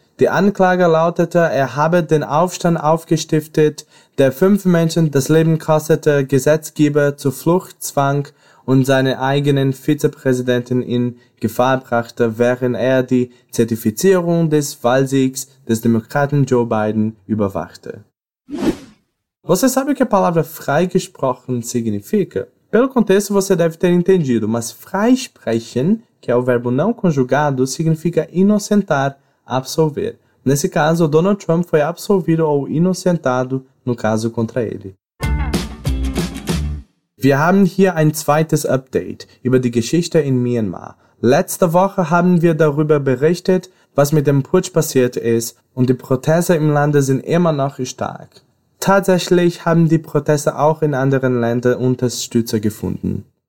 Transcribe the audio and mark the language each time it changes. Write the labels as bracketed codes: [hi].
[de] Die Anklage lautete, er habe den Aufstand aufgestiftet, der fünf Menschen das Leben kostete, Gesetzgeber zur Flucht zwang und seinen eigenen Vizepräsidenten in Gefahr brachte, während er die Zertifizierung des Wahlsiegs des Demokraten Joe Biden überwachte. [pt] Você sabe o que a palavra freigesprochen significa? Pelo contexto, você deve ter entendido, mas freisprechen, que é o verbo não conjugado, significa inocentar, absolver. Nesse caso, Donald Trump foi absolvido ou inocentado no caso contra ele. [de] Wir haben hier ein zweites Update über die Geschichte in Myanmar. Letzte Woche haben wir darüber berichtet, was mit dem Putsch passiert ist, und die Proteste im Lande sind immer noch stark. Tatsächlich haben die Proteste auch in anderen Ländern Unterstützer gefunden.